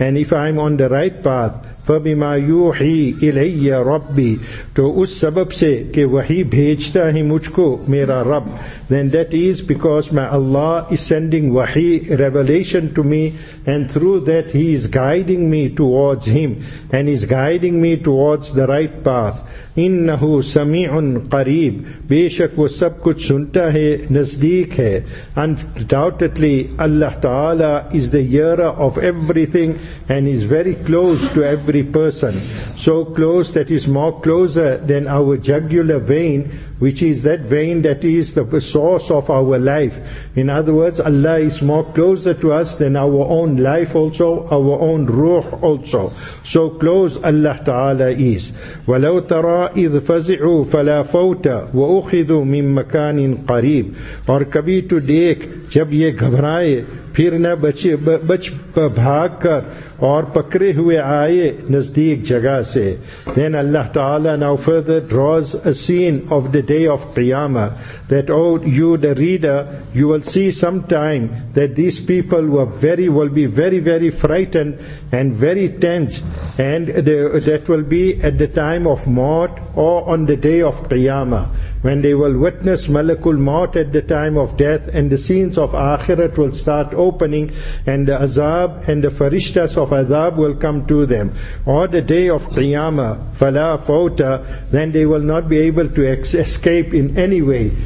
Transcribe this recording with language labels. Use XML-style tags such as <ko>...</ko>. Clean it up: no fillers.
<en>And if I'm on the right path,</en> <ar>فَبِمَا يُوحِي إِلَيَّ رَبِّي</ar> <ur>تو اس سبب سے کہ وحی بھیجتا ہی مجھ کو میرا رب.</ur> <en>Then that is because my Allah is sending وحی, revelation to me, and through that He is guiding me towards Him, and is guiding me towards the right path.</en> <ar>إِنَّهُ سَمِيعٌ قَرِيبٌ.</ar> <ur>بے شک وہ سب کچھ سنتا ہے, نزدیک ہے.</ur> <en>Undoubtedly, Allah Ta'ala is the hearer of everything and is very close to every person. So close that is more closer than our jugular vein, which is that vein that is the source of our life. In other words, Allah is more closer to us than our own life also, our own ruh also. So close Allah Ta'ala is.</en> <ar>وَلَوْ تَرَى إِذْ فَزِعُوا فَلَا فَوْتَ وَأُخِذُوا مِن مَكَانٍ قَرِيبٍ.</ar> <ur>اور کبھی تو دیکھ جب یہ گھبرائے پھر نہ بچے بچ بھاگ کر اور پکرے ہوئے آئے نزدیک جگہ سے.</ur> <en>Then Allah Ta'ala now further draws a scene of the day of Qiyamah, that oh you the reader, you will see sometime that these people will be very frightened and very tense, and that will be at the time of maut or on the day of Qiyamah, when they will witness Malakul Maut at the time of death, and the scenes of Akhirat will start opening, and the Azab and the Farishtas of Azab will come to them, or the day of Qiyamah, Fala Fauta, then they will not be able to escape in any way.</en>